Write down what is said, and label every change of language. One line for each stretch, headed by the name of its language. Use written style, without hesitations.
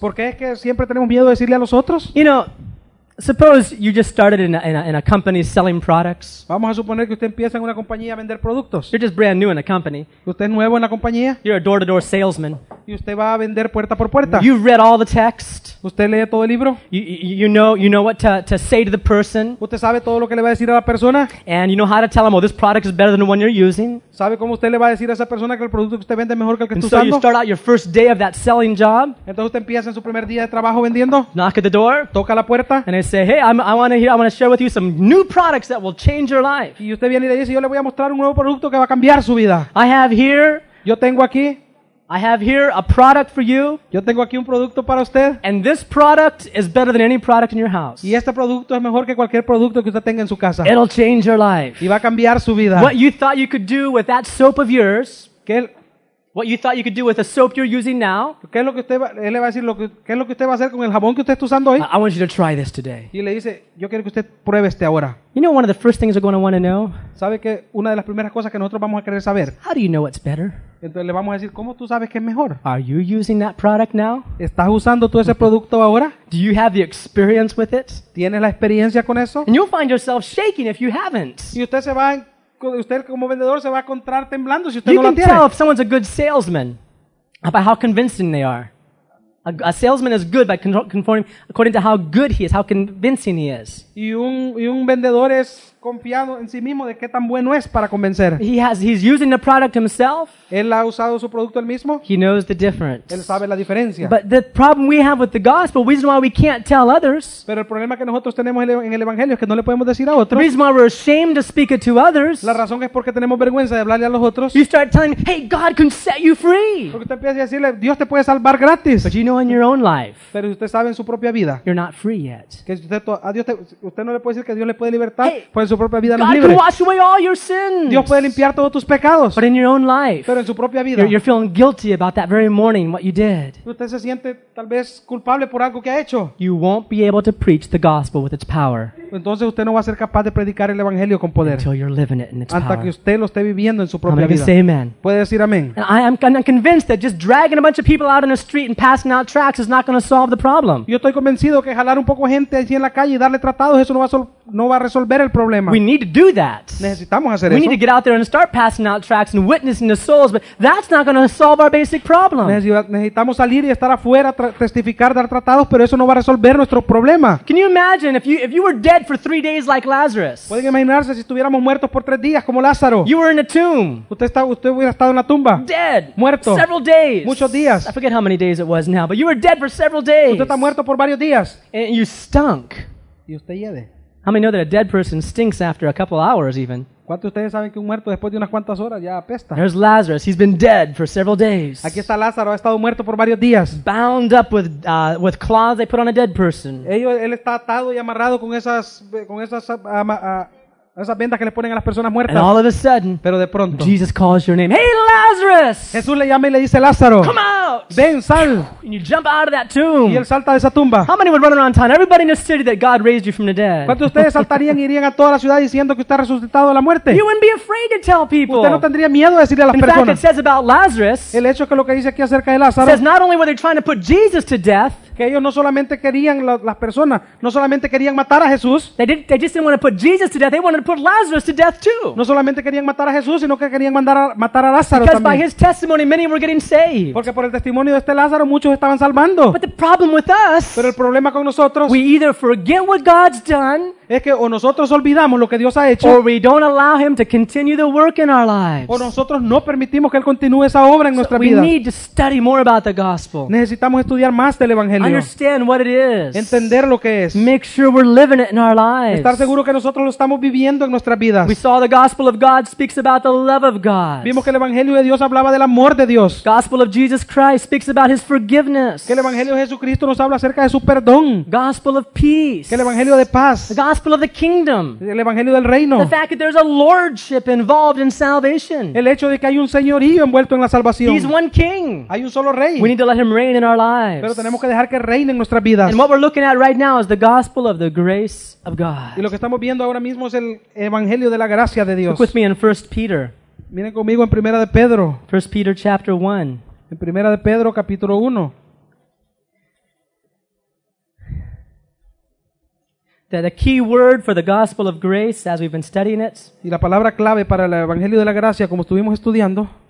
Spanish: ¿Por qué es que siempre tenemos miedo de decirle a los otros?
English: You know, suppose you just started in a company selling products.
Spanish: Vamos a suponer que usted empieza en una compañía a vender productos.
English: You're just brand new in a company.
Spanish: Usted es nuevo en la compañía.
English: You're a door-to-door salesman.
Spanish: Y usted va a vender puerta por puerta.
English: You've read all the text.
Spanish: Usted lee todo el libro.
English: You know what to say to the person.
Spanish: Usted sabe todo lo que le va a decir a la persona.
English: And you know how to tell them, oh, this product is better than the one you're using.
Spanish: Sabe cómo usted le va a decir a esa persona que el producto que usted vende es mejor que el que está usando.
English: And so you start out your first day of that selling job.
Spanish: Entonces usted empieza en su primer día de trabajo vendiendo.
English: Knock at the door.
Spanish: Toca la puerta.
English: And it's say, hey, I want to share with you some new products that will change your life.
Spanish: Y usted viene y le dice, yo le voy a mostrar un nuevo producto que va a cambiar su vida.
English: I have here.
Spanish: Yo tengo aquí.
English: I have here a product for you.
Spanish: Yo tengo aquí un producto para usted.
English: And this product is better than any product in your house.
Spanish: Y este producto es mejor que cualquier producto que usted tenga en su casa.
English: It'll change your life.
Spanish: Y va a cambiar su vida.
English: What you thought you could do with that soap of yours?
Spanish: ¿Qué?
English: What you thought you could do with the soap you're using now?
Spanish: ¿Qué es lo que usted le va a decir lo que qué es lo que usted va a hacer con el jabón que usted está usando hoy?
English: I want you to try this today.
Spanish: Y le dice, yo quiero que usted pruebe este ahora.
English: You know one of the first things we're going to want to know?
Spanish: ¿Sabe que una de las primeras cosas que nosotros vamos a querer saber?
English: How do you know what's better?
Spanish: Entonces le vamos a decir, ¿cómo tú sabes qué es mejor?
English: Are you using that product now?
Spanish: ¿Estás usando tú ese producto ahora?
English: Do you have the experience with it?
Spanish: ¿Tienes la experiencia con eso?
English: And you'll find yourself shaking if you haven't.
Spanish: Y usted se va a usted como vendedor se va a encontrar temblando si usted
English: you
Spanish: no lo tiene.
English: You can tell if someone's a good salesman by how convincing they are. A salesman is good by conforming according to how good he is, how convincing he is.
Spanish: Y un vendedor es confiado en sí mismo de qué tan bueno es para convencer.
English: He's using the product himself.
Spanish: Él ha usado su producto él mismo.
English: He knows the difference.
Spanish: Él sabe la diferencia.
English: But the problem we have with the gospel, the reason why we can't tell others.
Spanish: Pero el problema que nosotros tenemos en el evangelio es que no le podemos decir a otros.
English: The reason why we're ashamed to speak it to others.
Spanish: La razón es porque tenemos vergüenza de hablarle a los otros.
English: You start telling, hey, God can set you free.
Spanish: Porque usted empieza a decirle, Dios te puede salvar gratis.
English: But you know in your own life.
Spanish: Pero usted sabe en su propia vida.
English: You're not free yet.
Spanish: Que usted no le puede decir que Dios le puede libertar.
English: Hey,
Spanish: su propia vida
English: God can
Spanish: libre.
English: Wash away all your sins.
Spanish: Dios puede limpiar todos tus pecados.
English: But in your own life,
Spanish: pero en su propia vida,
English: you're feeling guilty about that very morning what you did.
Spanish: Usted se siente tal vez culpable por algo que ha hecho.
English: You won't be able to preach the gospel with its power.
Spanish: entonces usted no va a ser capaz de predicar el evangelio con poder
English: until you're living it in its
Spanish: hasta
English: power.
Spanish: Que usted lo esté viviendo en su propia vida.
English: Say amen.
Spanish: Puede decir amén.
English: I'm convinced that just dragging a bunch of people out in the street and passing out tracts is not going to solve the problem.
Spanish: Yo estoy convencido que jalar un poco gente allí en la calle y darle tratados eso no va a resolver el problema.
English: We need to do that.
Spanish: Necesitamos hacer
English: we
Spanish: eso.
English: Need to get out there and start passing out tracts and witnessing the souls, but that's not going to solve our basic problem.
Spanish: Necesitamos salir y estar afuera testificar, dar tratados, pero eso no va a resolver nuestro problema.
English: Can you imagine if you were dead for 3 days like Lazarus?
Spanish: Pueden imaginarse si estuviéramos muertos por 3 días como Lázaro.
English: You were in a tomb.
Spanish: Usted hubiera estado en la tumba.
English: Dead.
Spanish: Muerto.
English: Several days.
Spanish: Muchos días.
English: I forget how many days it was now, but you were dead for several days.
Spanish: Usted está muerto por varios días.
English: And you stunk.
Spanish: Y usted hiede.
English: How many know that a dead person stinks after a couple hours even?
Spanish: ¿Cuántos de ustedes saben que un muerto después de unas cuantas horas ya apesta?
English: There's Lazarus. He's been dead for several days.
Spanish: Aquí está Lázaro. Ha estado muerto por varios días.
English: Bound up with cloths they put on a dead person.
Spanish: Él está atado y amarrado con esas vendas que le ponen a las personas muertas.
English: And all of a sudden,
Spanish: pero de pronto,
English: Jesus calls your name. Hey, Lazarus!
Spanish: Jesús le llama y le dice, Lázaro,
English: come out!
Spanish: Ven, sal!
English: And you jump out of that tomb.
Spanish: Y él salta de esa tumba.
English: How many would run around town? Everybody in the city that God raised you from the dead.
Spanish: ¿Cuántos de ustedes saltarían y irían a toda la ciudad diciendo que usted ha resucitado de la muerte?
English: You wouldn't be afraid to tell people.
Spanish: Usted no tendría miedo de decirle a las personas.
English: In fact, it says about Lazarus,
Spanish: el hecho que lo que dice aquí acerca de Lázaro,
English: says not only were they trying to put Jesus to death,
Spanish: que ellos no solamente querían las personas, no solamente querían matar a Jesús.
English: They just didn't want to put Jesus to death. They wanted to put Lazarus to death too.
Spanish: No solamente querían matar a Jesús, sino que querían matar a Lázaro
English: because By his testimony, many were getting saved.
Spanish: Porque por el testimonio de este Lázaro, muchos estaban salvando.
English: But the problem with us,
Spanish: pero el problema con nosotros,
English: we either forget what God's done,
Spanish: es que o nosotros olvidamos lo que Dios ha hecho,
English: or we don't allow him to continue the work in our lives.
Spanish: O nosotros no permitimos que él continúe esa obra en
English: so
Spanish: nuestra
English: we
Spanish: vida.
English: We need to study more about the gospel.
Spanish: Necesitamos estudiar más del evangelio.
English: Understand what it is.
Spanish: Entender lo que es.
English: Make sure we're living it in our lives.
Spanish: Estar seguro que nosotros lo estamos viviendo en nuestras vidas.
English: We saw the gospel of God speaks about the love of God.
Spanish: Vimos que el evangelio de Dios hablaba del amor de Dios.
English: Gospel of Jesus Christ speaks about his forgiveness.
Spanish: Que el evangelio de Jesucristo nos habla acerca de su perdón.
English: Gospel of peace.
Spanish: Que el evangelio de paz.
English: The gospel of the kingdom.
Spanish: El evangelio del reino.
English: The fact that there's a lordship involved in salvation.
Spanish: El hecho de que hay un señorío envuelto en la salvación.
English: He's one king.
Spanish: Hay un solo rey.
English: We need to let him reign in our lives.
Spanish: Pero tenemos que dejar que reine en nuestras vidas.
English: And what we're looking at right now is the gospel of the grace of God.
Spanish: Y lo que estamos viendo ahora mismo es el evangelio de la gracia de Dios.
English: Look with me in 1 Peter.
Spanish: Miren conmigo en Primera de Pedro.
English: 1 Peter chapter 1.
Spanish: En Primera de Pedro capítulo 1.
English: The key word for the gospel of grace as we've been studying it.
Spanish: Y la palabra clave para el evangelio de la gracia como estuvimos estudiando.